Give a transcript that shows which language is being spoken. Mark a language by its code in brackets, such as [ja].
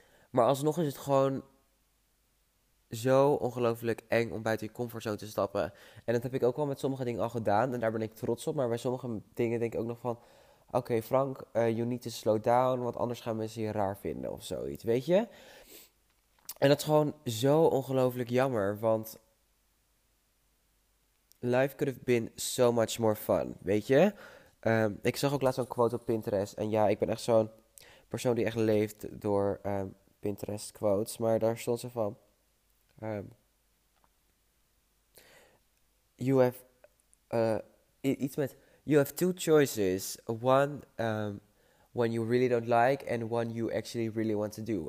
[nl] Maar alsnog is het gewoon zo ongelooflijk eng om buiten je comfortzone te stappen. En dat heb ik ook wel met sommige dingen al gedaan. En daar ben ik trots op. Maar bij sommige dingen denk ik ook nog van, Oké, Frank, [en] you need to slow down. [nl] Want anders gaan mensen je raar vinden of zoiets. Weet je? En dat is gewoon zo ongelooflijk jammer. [en] Want life could have been so much more fun. [nl] Weet je? Ik zag ook laatst een quote op Pinterest. En ja, ik ben echt zo'n persoon die echt leeft door Pinterest quotes, maar daar stond ze van, [en] you have, [nl] iets met, [en] you have two choices, one when you really don't like, and one you actually really want to do.